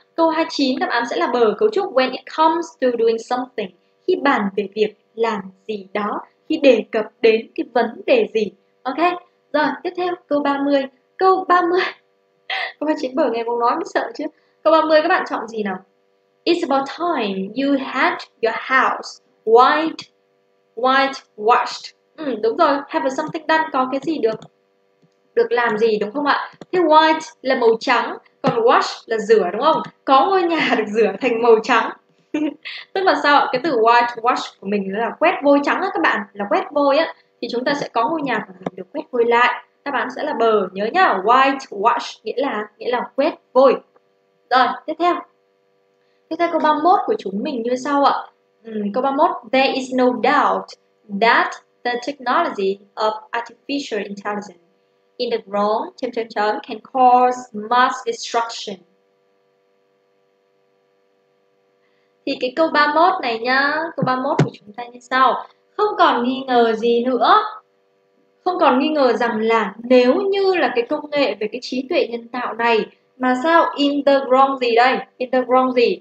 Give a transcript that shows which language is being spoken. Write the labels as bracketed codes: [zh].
[vi] Câu 29 đáp án sẽ là bờ, cấu trúc [en] when it comes to doing something, [vi] khi bàn về việc làm gì đó, khi đề cập đến cái vấn đề gì. Ok, rồi tiếp theo câu 30. Câu 30 câu 29 bờ nghe cũng nói mới sợ chứ. Câu 30 các bạn chọn gì nào? [en] It's about time you had your house white whitewashed. [vi] Ừ, đúng rồi, [en] have something done, [vi] có cái gì được được làm gì đúng không ạ? Thế white là màu trắng, còn wash là rửa đúng không? Có ngôi nhà được rửa thành màu trắng. Tức là sao ạ? Cái từ white wash của mình là quét vôi trắng á các bạn, là quét vôi á, thì chúng ta sẽ có ngôi nhà của mình được quét vôi lại. Đáp án sẽ là bờ, nhớ nhá, white wash nghĩa là quét vôi. Rồi, tiếp theo câu 31 của chúng mình như sau ạ. Câu 31, [en] there is no doubt that the technology of artificial intelligence in the wrong [vi] chấm chấm chấm [en] can cause mass destruction. [vi] Thì cái câu 31 này nhá, câu 31 của chúng ta như sau. Không còn nghi ngờ gì nữa. Không còn nghi ngờ rằng là nếu như là cái công nghệ về cái trí tuệ nhân tạo này mà sao [en] in the wrong [vi] gì đây? [en] In the wrong [vi] gì?